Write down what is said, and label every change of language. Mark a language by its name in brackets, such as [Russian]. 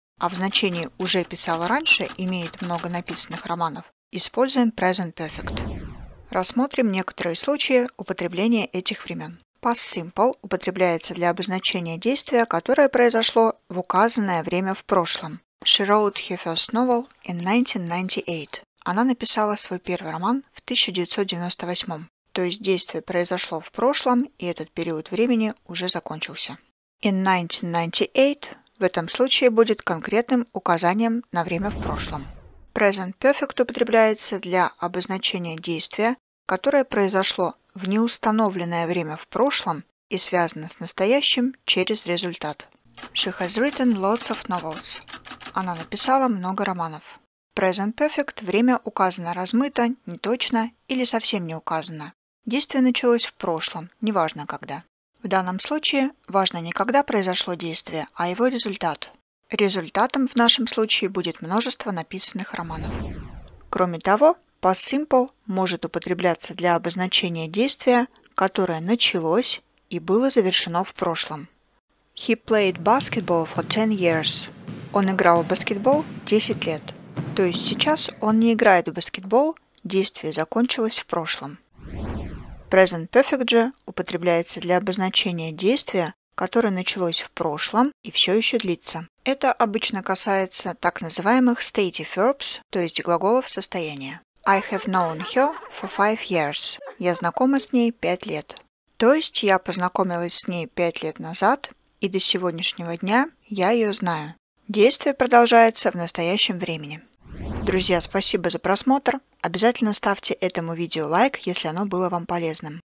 [Russian] А в значении «уже писала раньше» имеет много написанных романов – используем present perfect. Рассмотрим некоторые случаи употребления этих времен. Past simple употребляется для обозначения действия, которое произошло в указанное время в прошлом. [English] She wrote her first novel in 1998. [Russian] Она написала свой первый роман в 1998. То есть действие произошло в прошлом, и этот период времени уже закончился. In 1998 в этом случае будет конкретным указанием на время в прошлом. Present perfect употребляется для обозначения действия, которое произошло в неустановленное время в прошлом и связано с настоящим через результат. [English] She has written lots of novels. [Russian] Она написала много романов. Present perfect – время указано размыто, неточно или совсем не указано. Действие началось в прошлом, неважно когда. В данном случае важно не когда произошло действие, а его результат. Результатом в нашем случае будет множество написанных романов. Кроме того, past simple может употребляться для обозначения действия, которое началось и было завершено в прошлом. [English] He played basketball for 10 years. [Russian] Он играл в баскетбол 10 лет. То есть сейчас он не играет в баскетбол, действие закончилось в прошлом. Present perfect же употребляется для обозначения действия, которое началось в прошлом и все еще длится. Это обычно касается так называемых stative verbs, то есть глаголов состояния. [English] I have known her for 5 years. [Russian] Я знакома с ней 5 лет. То есть я познакомилась с ней 5 лет назад, и до сегодняшнего дня я ее знаю. Действие продолжается в настоящем времени. Друзья, спасибо за просмотр. Обязательно ставьте этому видео лайк, если оно было вам полезным.